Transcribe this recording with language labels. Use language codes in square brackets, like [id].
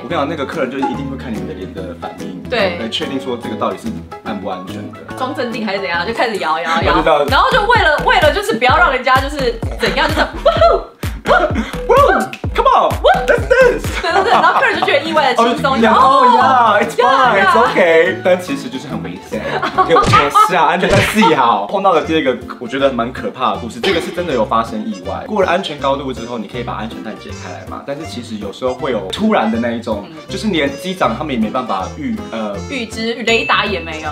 [zh] 我跟你讲，那个客人就一定会看你们的脸的反应，对，来确定说这个到底是安不安全的，装镇定还是怎样，就开始摇摇摇，然后就为了就是不要让人家就是怎样，就是 [en] Woo!Come on! What's this? [zh] 然后客人就觉得意外的轻松。 [en] Oh yeah, it's fine, it's okay. [zh] 但其实就是很危险，给我脱下安全带系好。碰到的第二个我觉得蛮可怕的故事，这个是真的有发生意外。过了安全高度之后，你可以把安全带解开来嘛？但是其实有时候会有突然的那一种，就是连机长他们也没办法预知，雷达也没有。